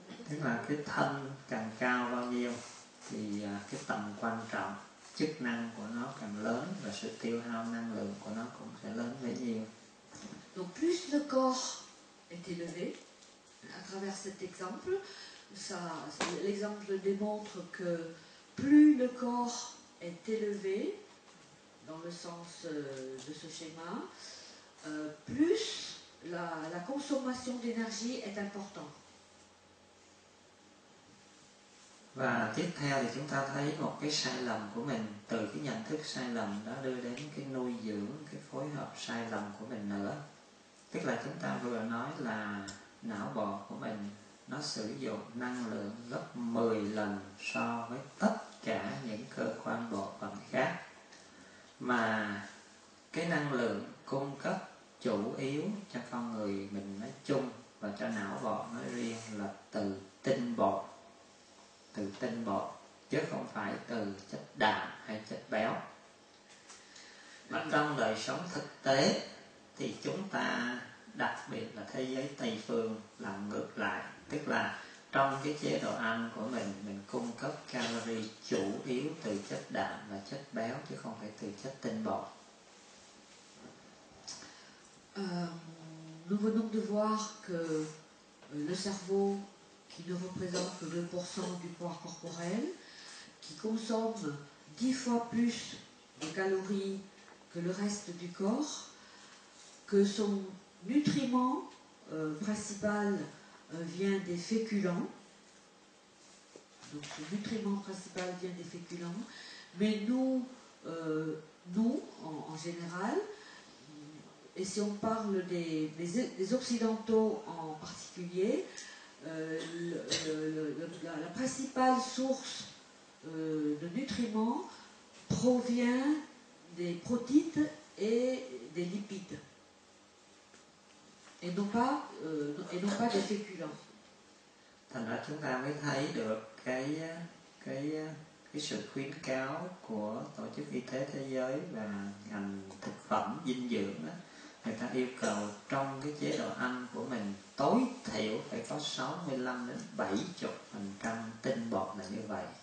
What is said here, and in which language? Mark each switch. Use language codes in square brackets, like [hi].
[vi] tức là cái thân càng cao bao nhiêu thì cái tầm quan trọng, chức năng của nó càng lớn và sự tiêu hao năng lượng của nó cũng sẽ lớn bấy nhiêu. [fr] Donc plus le corps est élevé, à travers cet exemple, ça, l'exemple démontre que plus le corps est élevé, dans le sens de ce schéma, plus la consommation d'énergie est importante. [vi] Và tiếp theo thì chúng ta thấy một cái sai lầm của mình, từ cái nhận thức sai lầm đó đưa đến cái nuôi dưỡng, cái phối hợp sai lầm của mình nữa. Tức là chúng ta vừa nói là não bộ của mình nó sử dụng năng lượng gấp 10 lần so với tất cả những cơ quan bộ phận khác. Mà cái năng lượng cung cấp chủ yếu cho con người mình nói chung và cho não bộ nói riêng là từ tinh bột. Từ tinh bột, chứ không phải từ chất đạm hay chất béo. Mà trong đời sống thực tế thì chúng ta, đặc biệt là thế giới Tây Phương, làm ngược lại. Tức là trong cái chế độ ăn của mình cung cấp calorie chủ yếu từ chất đạm và chất béo, chứ không phải từ chất tinh bột. [fr] Nous venons de voir que le cerveau, qui ne représente que 2% du poids corporel, qui consomme 10 fois plus de calories que le reste du corps, que son nutriment principal vient des féculents, donc son nutriment principal vient des féculents, mais nous, en général, et si on parle des occidentaux en particulier, la principale source de nutriments provient des protéines et des lipides. et non pas des féculents. [vi] Thành ra chúng ta mới thấy được cái sự khuyến cáo của Tổ chức Y tế Thế giới và ngành thực phẩm dinh dưỡng đó. Người ta yêu cầu trong cái chế độ ăn của mình tối thiểu phải có 65-70% tinh bột là như vậy.